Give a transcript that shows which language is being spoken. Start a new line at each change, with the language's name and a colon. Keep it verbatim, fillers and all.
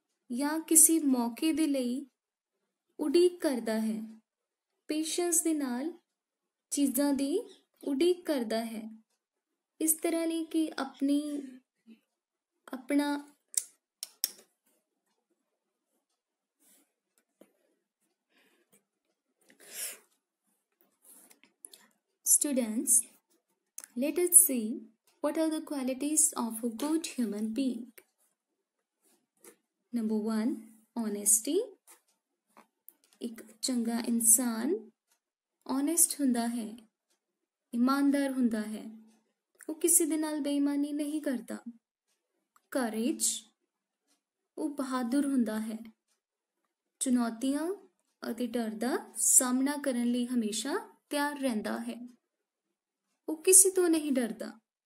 Punjabi: ਜਾਂ ਕਿਸੇ ਮੌਕੇ ਦੇ ਲਈ ਉਡੀਕ ਕਰਦਾ ਹੈ, ਪੇਸ਼ੈਂਸ ਦੇ ਨਾਲ ਚੀਜ਼ਾਂ ਦੀ ਉਡੀਕ ਕਰਦਾ ਹੈ, ਇਸ ਤਰ੍ਹਾਂ ਨਹੀਂ ਕਿ ਆਪਣੀ ਆਪਣਾ students.
English: Let us see what are the qualities of a good human being. Number one, honesty.
Punjabi: ਇੱਕ ਚੰਗਾ ਇਨਸਾਨ honest ਹੁੰਦਾ ਹੈ, ਇਮਾਨਦਾਰ ਹੁੰਦਾ ਹੈ, ਉਹ ਕਿਸੇ ਦੇ ਨਾਲ ਬੇਈਮਾਨੀ ਨਹੀਂ ਕਰਦਾ. courage, ਉਹ ਬਹਾਦਰ ਹੁੰਦਾ ਹੈ, ਚੁਣੌਤੀਆਂ ਅਤੇ ਡਰ ਦਾ ਸਾਹਮਣਾ ਕਰਨ ਲਈ ਹਮੇਸ਼ਾ ਤਿਆਰ ਰਹਿੰਦਾ ਹੈ, ਉਹ ਕਿਸੇ ਤੋਂ ਨਹੀਂ ਡਰਦਾ.